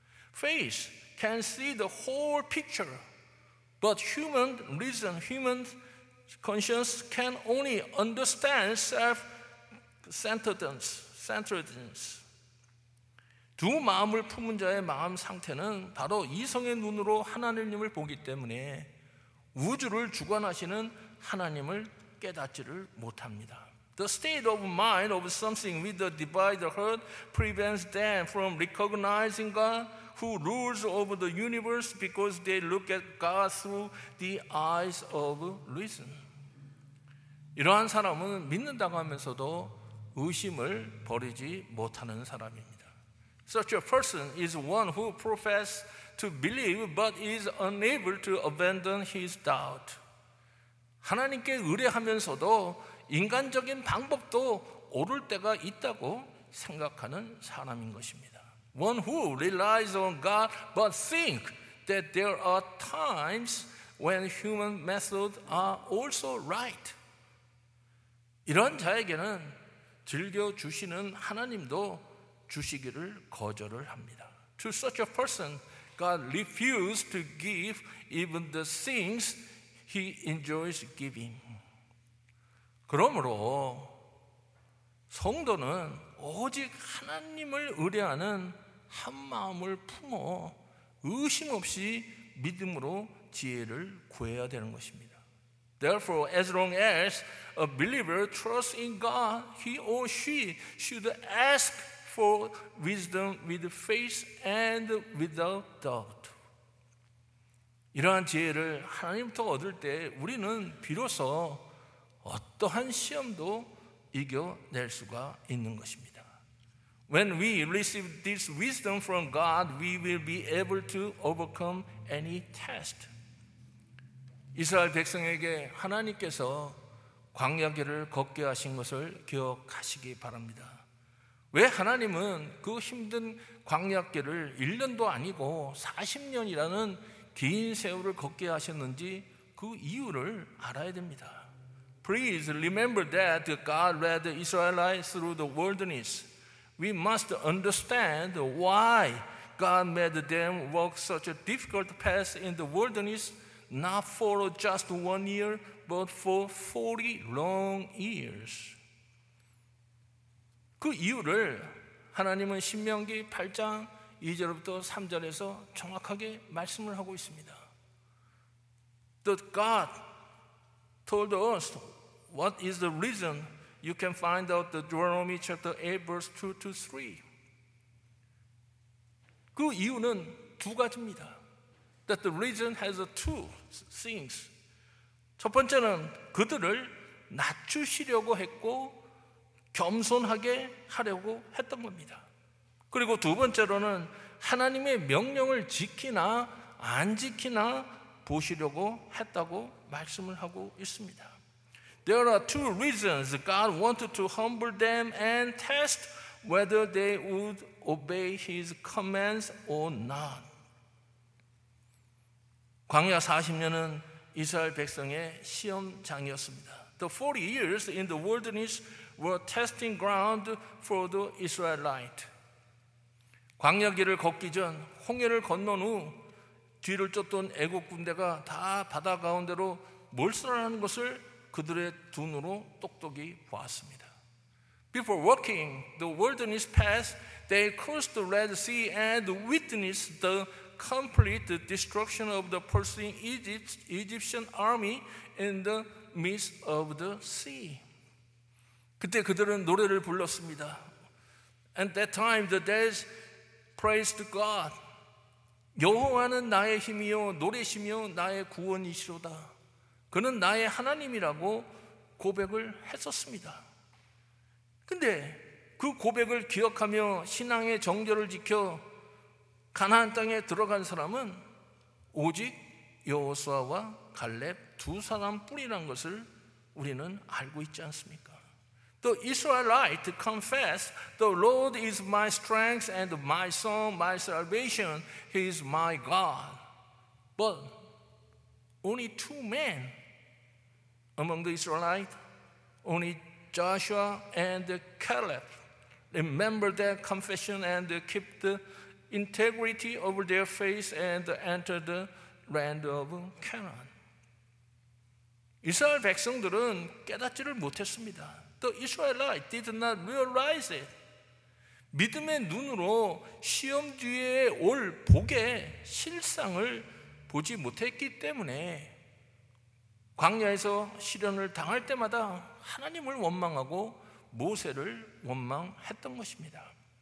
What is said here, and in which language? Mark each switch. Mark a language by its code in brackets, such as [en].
[en] Faith can see the whole picture, but human reason, human conscience can only understand self-centeredness. [ko] 두 마음을 품은 자의 마음 상태는 바로 이성의 눈으로 하나님을 보기 때문에 우주를 주관하시는 하나님을 깨닫지를 못합니다. [en] The state of mind of something with a divided heart prevents them from recognizing God who rules over the universe because they look at God through the eyes of reason. [ko] 이러한 사람은 믿는다고 하면서도 의심을 버리지 못하는 사람입니다. [en] Such a person is one who professes to believe but is unable to abandon his doubt. [ko] 하나님께 의뢰하면서도 인간적인 방법도 오를 때가 있다고 생각하는 사람인 것입니다. [en] One who relies on God but think that there are times when human methods are also right. [ko] 이런 자에게는 즐겨주시는 하나님도 주시기를 거절을 합니다. [en] To such a person, God refuses to give even the things he enjoys giving. [ko] 그러므로 성도는 오직 하나님을 의뢰하는 한 마음을 품어 의심 없이 믿음으로 지혜를 구해야 되는 것입니다. [en] Therefore, as long as a believer trusts in God, he or she should ask for wisdom with faith and without doubt. [ko] 이러한 지혜를 하나님부터 얻을 때 우리는 비로소 어떠한 시험도 이겨낼 수가 있는 것입니다. [en] When we receive this wisdom from God, we will be able to overcome any test. [ko] 이스라엘 백성에게 하나님께서 광야길을 걷게 하신 것을 기억하시기 바랍니다. 왜 하나님은 그 힘든 광야길을 1년도 아니고 40년이라는 긴 세월을 걷게 하셨는지 그 이유를 알아야 됩니다. [en] Please remember that God led the Israelites through the wilderness. We must understand why God made them walk such a difficult path in the wilderness. Not for just one year, but for 40 long years. [ko] 그 이유를 하나님은 신명기 8장 2절부터 3절에서 정확하게 말씀을 하고 있습니다. [en] That God told us what is the reason. You can find out the Deuteronomy chapter 8 verse 2 to 3. [ko] 그 이유는 두 가지입니다. [en] That the reason has two things. [ko] 첫 번째는 그들을 낮추시려고 했고 겸손하게 하려고 했던 겁니다. 그리고 두 번째로는 하나님의 명령을 지키나 안 지키나 보시려고 했다고 말씀을 하고 있습니다. [en] There are two reasons God wanted to humble them and test whether they would obey his commands or not. [ko] 광야 40년은 이스라엘 백성의 시험장이었습니다. [en] The 40 years in the wilderness were testing ground for the Israelites. [ko] 광야 길을 걷기 전 홍해를 건넌 후 뒤를 쫓던 애굽 군대가 다 바다 가운데로 몰살하는 것을 그들의 눈으로 똑똑히 보았습니다. [en] Before walking the wilderness path, they crossed the Red Sea and witnessed the complete the destruction of the pursuing Egyptian army in the midst of the sea. [ko] 그때 그들은 노래를 불렀습니다. [en] At that time the dead praised God. [ko] 여호와는 나의 힘이요 노래시며 나의 구원이시로다. 그는 나의 하나님이라고 고백을 했었습니다. 근데 그 고백을 기억하며 신앙의 정결을 지켜 가나안 땅에 들어간 사람은 오직 여호수아와 갈렙 두 사람뿐이란 것을 우리는 알고 있지 않습니까? [en] The Israelites confess, "The Lord is my strength and my song, my salvation. He is my God." But only two men among the Israelites, only Joshua and Caleb remember their confession and keep the integrity of their faith and enter the land of Canaan. [ko] 이스라엘 백성들은 깨닫지를 못했습니다. [en] The Israelites did not realize it. [ko] 믿음의 눈으로 시험 뒤에 올 복의 실상을 보지 못했기 때문에 광야에서 시련을 당할 때마다 하나님을 원망하고 모세를 원망했던 것입니다.